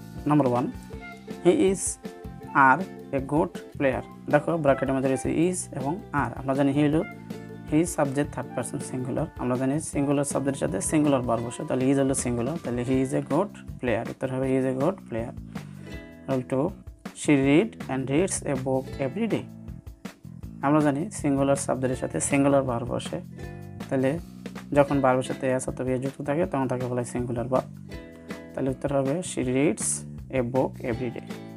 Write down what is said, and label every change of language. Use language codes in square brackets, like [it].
[en] Number one, he is are a good player. [bn] দেখো ব্র্যাকেটের মধ্যে রয়েছে is এবং are. আমরা জানি he হলো [en] he is subject third person singular. [bn] আমরা জানি singular subject সাথে singular verb আসে, তাহলে he is হলো singular, তাহলে [en] he is a good player. [bn] উত্তর হবে [en] he is a good player. Number two, she read and reads a book every day. [bn] আমরা জানি singular subject সাথে singular verb আসে, তাহলে যখন verb সাথে s অথবা যুক্ত থাকে তখন তাকে বলা হয় singular verb. তাহলে উত্তর হবে [en] she reads a book every day.